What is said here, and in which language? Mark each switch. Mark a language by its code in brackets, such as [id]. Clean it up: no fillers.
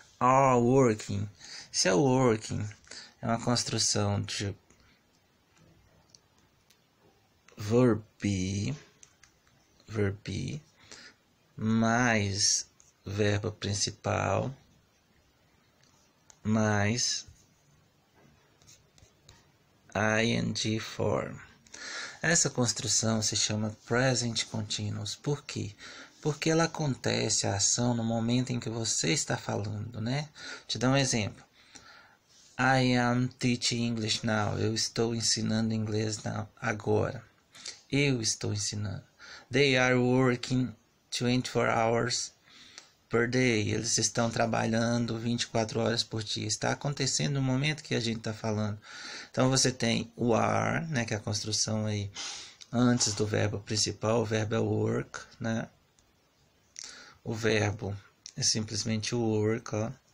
[en] Are working. [pt] Se é working, é uma construção de verb be, mais verbo principal, mais ing form. Essa construção se chama present continuous. Por quê? Porque ela acontece a ação no momento em que você está falando, né? Te dou um exemplo. [en] I am teaching English now. [pt] Eu estou ensinando inglês now, agora. Eu estou ensinando. [en] They are working 24 hours per day. [pt] Eles estão trabalhando 24 horas por dia. Está acontecendo no momento que a gente está falando. Então você tem o are, né, que é a construção aí antes do verbo principal. O verbo é work, né? O verbo é simplesmente work, ó.